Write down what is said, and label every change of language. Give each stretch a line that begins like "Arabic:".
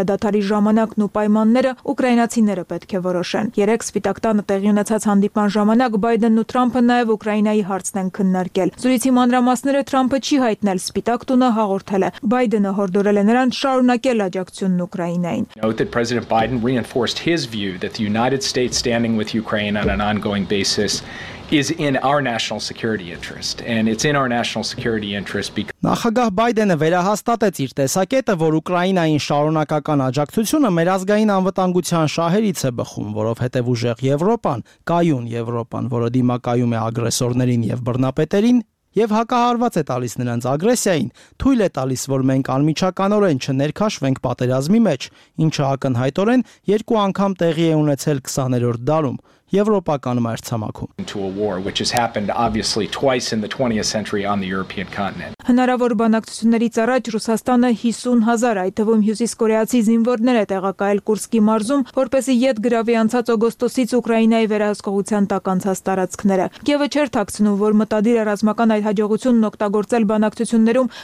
Armenian: դադարի ժամանակն ու պայմանները ուկրաինացիները պետք է որոշեն։ Երեք Սպիտակ տանը տեղի ունեցած հանդիպման ժամանակ Բայդենն ու Թրամփը նաև Ուկրաինայի հարցն են քննարկել։ Զրույցի մանրամասները Թրամփը չի հայտնել, Սպիտակ տունը հաղորդել է։ Բայդենը հորդորել է նրան շարունակել աջակցությունն Ուկրաինային։
English: Noted President Biden reinforced his view that the United States standing with Ukraine on an ongoing basis is in our national security interest and it's in our national security interest because
Armenian: Նախագահ Բայդենը վերահաստատեց իր տեսակետը, որ Ուկրաինային շարունակական աջակցությունը մեր ազգային անվտանգության շահերից է բխում, որովհետև ուժեղ Եվրոպան, կայուն Եվրոպան, որը դիմակայում է ագրեսորներին եւ բռնապետերին, եւ հակահարված է տալիս նրանց ագրեսիային, թույլ է տալիս, որ մենք անմիջականորեն չներքաշվենք պատերազմի մեջ, ինչը ակնհայտորեն 2 անգամ տեղի է ունեցել 20-րդ դարում։ Եվրոպական մայրցամաքում
English: into a war which has happened obviously twice in the 20th century on the European continent.
Armenian: Հնարավոր բանակցություններից առաջ Ռուսաստանը 50,000 այդ թվում հյուսիսկորեացի զինվորներ է տեղակայել Կուրսկի մարզում, որպեսզի ետ գրավի անցած օգոստոսից Ուկրաինայի վերահսկողության տակ անցած տարածքները։ Կիևը չեր թաքցնում, որ մտադիր է ռազմական այդ հաջողությունն օգտագործել բանակցություններում